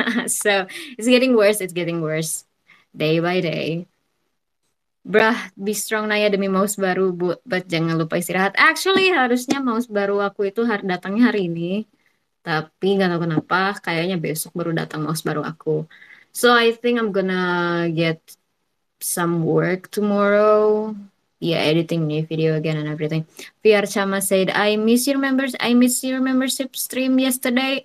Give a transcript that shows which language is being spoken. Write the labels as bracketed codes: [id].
[en] So it's getting worse day by day. [id] Brah, [en] be strong, [id] Naya, demi mouse baru, but jangan lupa istirahat. Actually, harusnya mouse baru aku itu datangnya hari ini. Tapi gak tahu kenapa, kayaknya besok baru datang mouse baru aku. [en] So, I think I'm gonna get some work tomorrow. Yeah, editing new video again and everything. VR Chama said, I miss your membership stream yesterday.